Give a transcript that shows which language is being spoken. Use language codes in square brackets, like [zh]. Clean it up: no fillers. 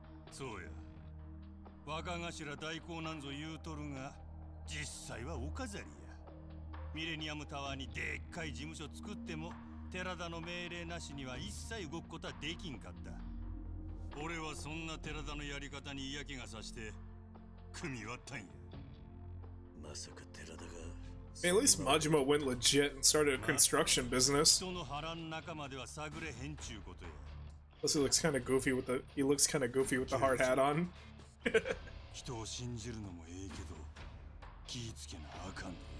[ja] そうや、若頭代行なんぞ言うとるが実際はお飾りや。ミレニアムタワーにでっかい事務所作っても寺田の命令なしには一切動くことはできんかった。俺はそんな寺田のやり方に嫌気がさして組み割ったんや。まさか寺田が。 [en] At least Majima went legit and started a construction business. Plus, he looks kind of goofy with the hard hat on. [ja] 人を信じるのもええけど、気ぃつけなあかん。